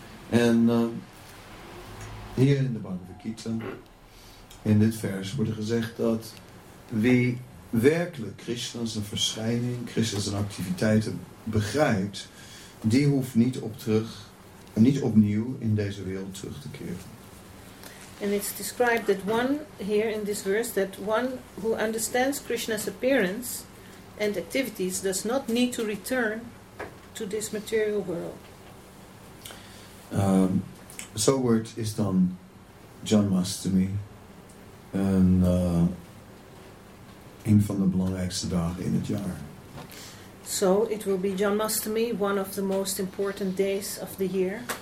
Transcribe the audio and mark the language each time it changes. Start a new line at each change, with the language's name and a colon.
Dutch: En hier in de Bhagavad Gita, in dit vers, wordt gezegd dat wie werkelijk Krishna zijn verschijning, Krishna zijn activiteiten begrijpt, die hoeft niet opnieuw in deze wereld terug te keren.
English: And it's described that one here in this verse, that one who understands Krishna's appearance and activities does not need to return to this material world.
Dutch: So word is dan Janmashtami. En een van de belangrijkste dagen in het jaar.
English: So it will be Janmashtami, one of the most important days of the year.